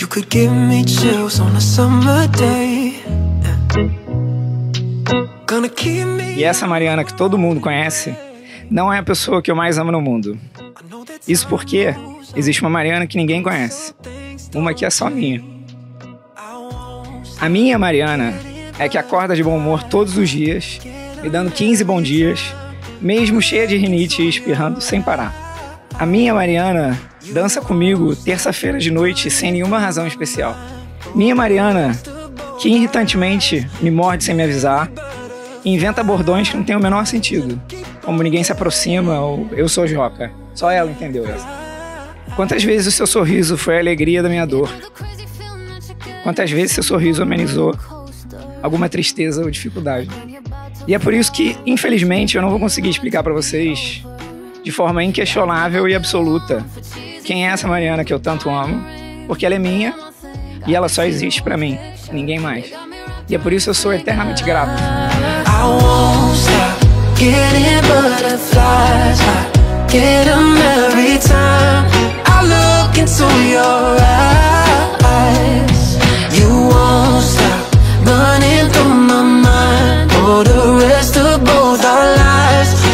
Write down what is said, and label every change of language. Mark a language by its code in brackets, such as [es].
[en] Give me chills on a summer day. Gonna keep me. [pt] E essa Mariana que todo mundo conhece não é a pessoa que eu mais amo no mundo. Isso porque existe uma Mariana que ninguém conhece. Uma que é só minha. A minha Mariana é que acorda de bom humor todos os dias, me dando 15 bons dias, mesmo cheia de rinite e espirrando sem parar. A minha Mariana dança comigo terça-feira de noite sem nenhuma razão especial. Minha Mariana, que irritantemente me morde sem me avisar, inventa bordões que não tem o menor sentido, como ninguém se aproxima ou eu sou joca. Só ela entendeu essa. Quantas vezes o seu sorriso foi a alegria da minha dor? Quantas vezes seu sorriso amenizou alguma tristeza ou dificuldade? E é por isso que, infelizmente, eu não vou conseguir explicar pra vocês de forma inquestionável e absoluta quem é essa Mariana que eu tanto amo, porque ela é minha e ela só existe pra mim, ninguém mais. E é por isso que eu sou eternamente grato. [en] I won't stop getting butterflies. I get them every time I look into your eyes. You won't stop running through my mind for the rest of both our lives.